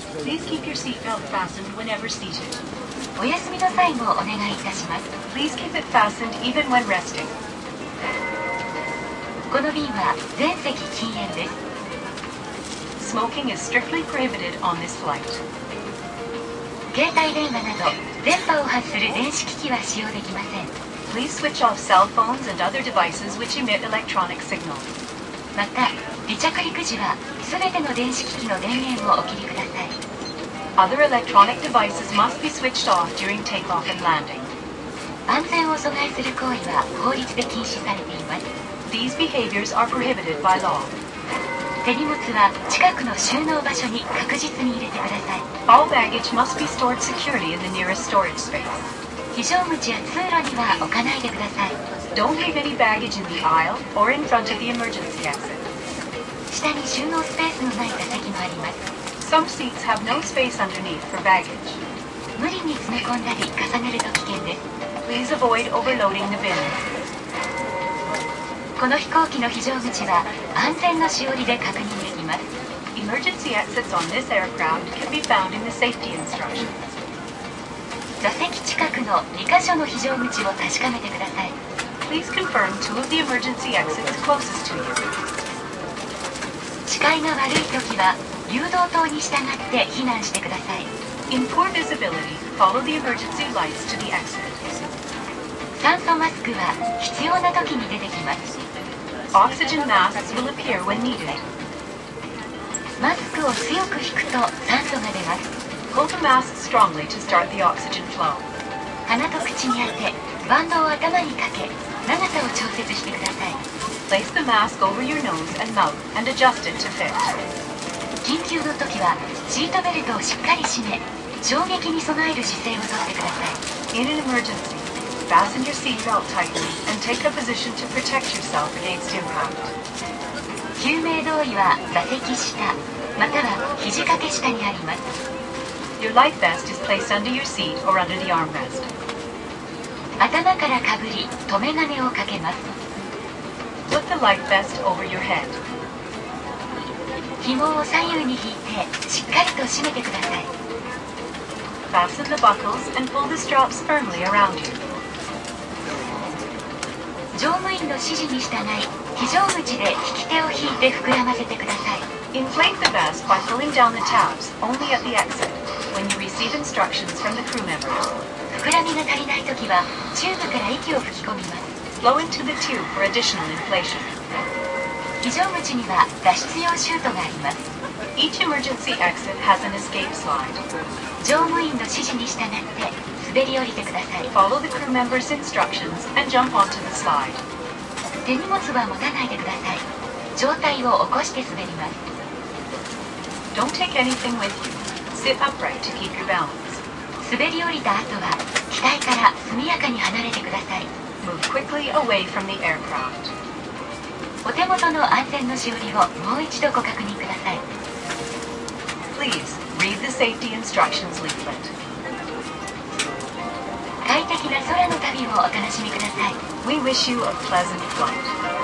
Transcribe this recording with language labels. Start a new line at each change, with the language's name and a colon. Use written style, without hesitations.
English: Please keep your seatbelt fastened whenever seated.
Japanese: お休みの際もお願いいたします。
English: Please keep it fastened even when resting.
Japanese: この便は全席禁煙です。
English: Smoking is strictly prohibited on this flight.
Japanese: 携帯電話など電波を発する電子機器は使用できません。
English: Please switch off cell phones and other devices which emit electronic signal.
Japanese: また、離着陸時は全ての電子機器の電源をお切りください。
English: Other electronic devices must be switched off during takeoff and landing.
Japanese: 安全を阻害する行為は法律で禁止されています。
English: These behaviors are prohibited by law.
Japanese: 手荷物は近くの収納場所に確実に入れてください。
English: All baggage must be stored securely in the nearest storage space.
Japanese: 非常口や通路には置かないでください。
English: Don't leave any baggage in the aisle or in front of the emergency exit.
Japanese: 下に収納スペースのない座席もあります。
English: Some seats have no space underneath for baggage.
Japanese: 無理に詰め込んだり重ねると危険です。
English: Please avoid overloading the bin.
Japanese: この飛行機の非常口は安全のしおりで確認できます。
English: Emergency exits on this aircraft can be found in the safety instructions.
Japanese: 座席近くの2カ所の非常口を確かめてください。
English: Please confirm two of the emergency exits closest to you.
Japanese: 視界が悪い時は誘導灯に従って避難してください。
English: In poor visibility, follow the emergency lights to the exit.
Japanese: 酸素マスクは必要な時に出てきます。
English: Oxygen masks will appear when needed.
Japanese: マスクを強く引くと酸素が出ます。
English: Hold the mask strongly to start the oxygen flow.
Japanese: 鼻と口に当て、バンドを頭にかけ、長さを調節してください。
English: Place the mask over your nose and mouth and adjust it to fit.
Japanese: 緊急の時はシートベルトをしっかり締め、衝撃に備える姿勢をとってください。
English: In an emergency. Fasten your seatbelt tightly and take a position to protect yourself against impact.
Japanese: 救命胴衣は座席下または肘掛け下にあります。
English: Your life vest is placed under your seat or under the armrest.
Japanese: 頭からかぶり留め金をかけます。
English: Put the life vest over your head.
Japanese: 紐を左右に引いてしっかりと締めてください。
English: Fasten the buckles and pull the straps firmly around you.
Japanese: 乗務員の指示に従い、非常口で引き手を引いて膨らませてください。
English: Inflate the vest by pulling down the tabs only at the exit when you receive instructions from the crew member.
Japanese: 膨らみが足りないときは、チューブから息を吹き込みます。
English: Blow into the tube for additional inflation.
Japanese: 非常口には脱出用シュートがあります。
English: Each emergency exit has an escape slide.
Japanese: 乗務員の指示に従って、滑り降りてください。
English: Follow the crew member's instructions and jump onto the slide.
Japanese: 手荷物は持たないでください。上体を起こして滑ります。
English: Don't take anything with you. Sit upright to keep your balance.
Japanese: 滑り降りた後は、機体から速やかに離れてください。
English: Move quickly away from the aircraft.
Japanese: お手元の安全のしおりをもう一度ご確認ください。
English: Please read the safety instructions leaflet.
Japanese: 快適な空の旅をお楽しみください。
English: We wish you a pleasant flight.